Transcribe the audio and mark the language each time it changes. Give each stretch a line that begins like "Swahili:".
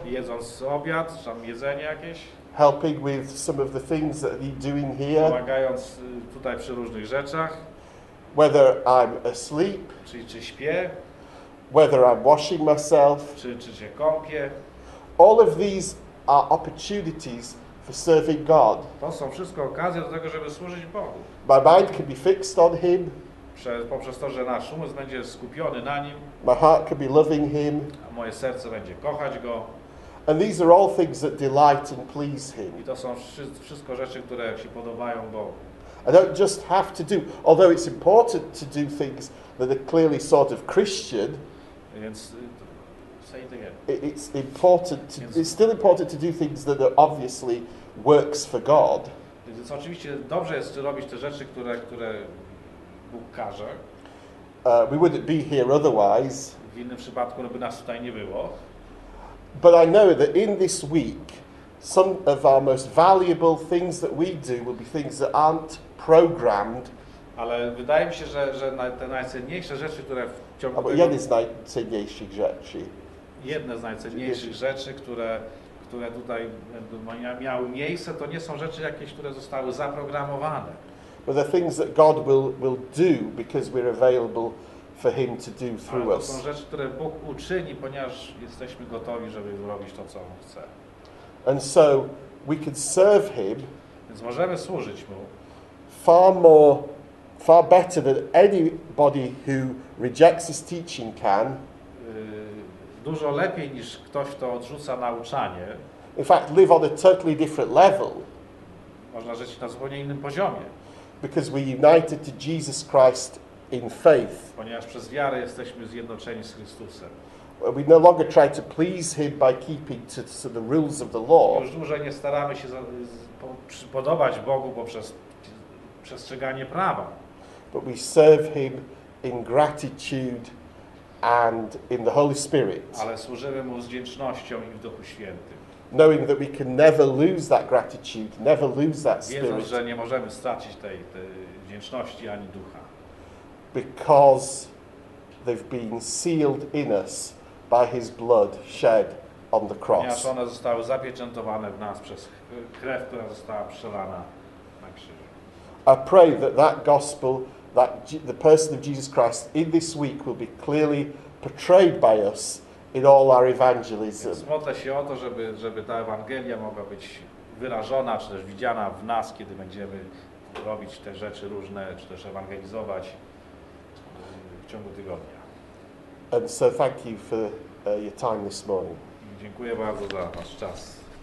Polish: jedząc obiad, czy mam jedzenie jakieś,
English: helping with some of the things that he's doing here,
Polish: pomagając tutaj przy różnych rzeczach,
English: whether I'm asleep,
Polish: czy śpię,
English: whether I'm washing myself,
Polish: czy się kąpię,
English: All of these are opportunities for serving God.
Polish: To są wszystko okazje do tego, żeby służyć Bogu.
English: My mind can be fixed on Him.
Polish: Poprzez to, że nasz umysł będzie skupiony na Nim.
English: My heart can be loving Him.
Polish: A moje serce będzie kochać Go.
English: And these are all things that delight and please Him.
Polish: I to są wszystko rzeczy, które się podobają Bogu.
English: I don't just have to do, although it's important to do things that are clearly sort of Christian.
Polish: Więc,
English: say it again. It's important. It's still important to do things that are obviously works for God.
Polish: Więc oczywiście dobrze jest robić te rzeczy, które Bóg każe.
English: We wouldn't be here otherwise.
Polish: W innym przypadku by nas tutaj nie było.
English: But I know that in this week, some of our most valuable things that we do will be things that aren't programmed.
Polish: Ale wydaje mi się, że te najcenniejsze rzeczy, które w ciągu tego... Jedne z najcenniejszych rzeczy. Jedne z najcenniejszych rzeczy, które tutaj miały miejsce, to nie są rzeczy jakieś, które zostały zaprogramowane.
English: But the things that God will do because we're available for Him to do through us.
Polish: Ale to są rzeczy, które Bóg uczyni, ponieważ jesteśmy gotowi, żeby zrobić to, co On chce.
English: And so we can serve Him.
Polish: Więc możemy służyć Mu.
English: Far better than anybody who rejects His teaching can.
Polish: Dużo lepiej niż ktoś, kto odrzuca nauczanie.
English: In fact, live on a totally different level.
Polish: Można żyć na zupełnie innym poziomie.
English: Because we're united to Jesus Christ in faith.
Polish: Ponieważ przez wiarę jesteśmy zjednoczeni z Chrystusem.
English: We no longer try to please Him by keeping to the rules of the law.
Polish: Już dłużej nie staramy się podobać Bogu poprzez przestrzeganie prawa.
English: But we serve Him in gratitude and in the Holy Spirit.
Polish: Ale służymy Mu z wdzięcznością i w Duchu Świętym.
English: Knowing that we can never lose that gratitude, never lose that spirit.
Polish: Wiedząc, że nie możemy stracić tej wdzięczności ani ducha.
English: Because they've been sealed in us by His blood shed on the cross.
Polish: Ponieważ one zostały zapieczętowane w nas przez krew, która została przelana na krzyżu.
English: I pray that gospel, that the person of Jesus Christ in this week will be clearly portrayed by us in all our evangelism.
Polish: Więc modlę się o to, żeby ta Ewangelia mogła być wyrażona, czy też widziana w nas, kiedy będziemy robić te rzeczy różne, czy też ewangelizować w ciągu tygodnia.
English: And so thank you for your time this morning.
Polish: Dziękuję bardzo za wasz czas.